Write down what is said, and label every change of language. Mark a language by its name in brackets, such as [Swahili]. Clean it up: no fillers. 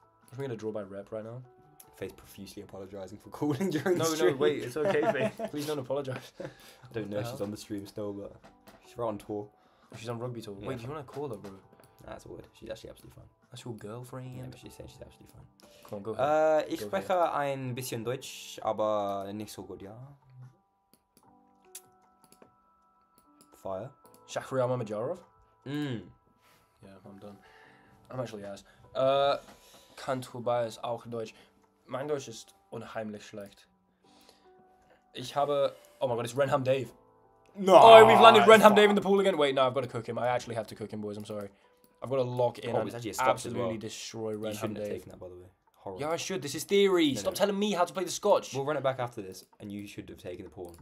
[English] Watch me get a draw by rep right now. Faith profusely apologising for calling during the stream. No, wait. It's okay, Faith. Please don't apologise. I don't know if she's on the stream still, but she's right on tour. She's on rugby tour. Yeah. Wait, do you want to call her, bro? That's weird. She's actually absolutely fine. That's your girlfriend. Yeah, but she's saying she's absolutely fine. Come on, go ahead. [German] Ich spreche ein bisschen Deutsch, aber nicht so gut, ja. [English] Fire. Shakhriyama Majarov? Mmm. Yeah, I'm done. I'm actually ass. [German] Kann Tobias auch Deutsch? Mein Deutsch ist unheimlich schlecht. Ich habe... [English] Oh my god, it's Renham Dave. No! Oh, we've landed Renham Dave in the pool again. Wait, no, I've got to cook him. I actually have to cook him, boys. I'm sorry. I've got to lock in destroy Renham Dave. You shouldn't Dave. Have taken that, by the way. Horrible. Yeah, I should. This is theory. No, stop telling me how to play the scotch. We'll run it back after this, and you should have taken the pawn.